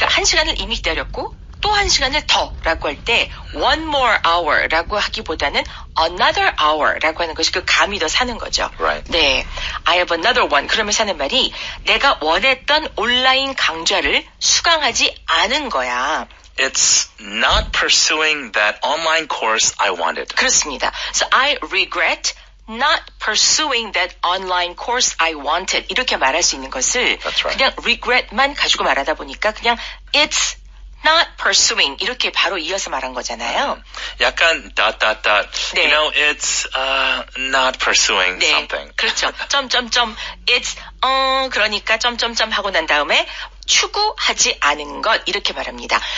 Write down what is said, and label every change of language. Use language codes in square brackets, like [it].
[ko] 그러니까 한 시간을 이미 기다렸고 또 한 시간을 더 라고 할 때 [en] one more hour [ko] 라고 하기보다는 [en] another hour [ko] 라고 하는 것이 그 감이 더 사는 거죠. [en] Right. 네. I have another one. [ko] 그러면서 하는 말이 내가 원했던 온라인 강좌를 수강하지 않은 거야. [en] It's not pursuing that online course I wanted. [ko] 그렇습니다. [en] So I regret not pursuing that online course I wanted. [ko] 이렇게 말할 수 있는 것을 [en] That's right. [ko] 그냥 regret만 가지고 말하다 보니까 그냥 [en] it's not pursuing [ko] 이렇게 바로 이어서 말한 거잖아요. 약간 dot. 네. [en] You know, it's not pursuing [ko] 네. [en] something. [ko] 그렇죠. 점점점. It's 그러니까 점점점 하고 난 다음에 추구하지 않은 것 이렇게 말합니다.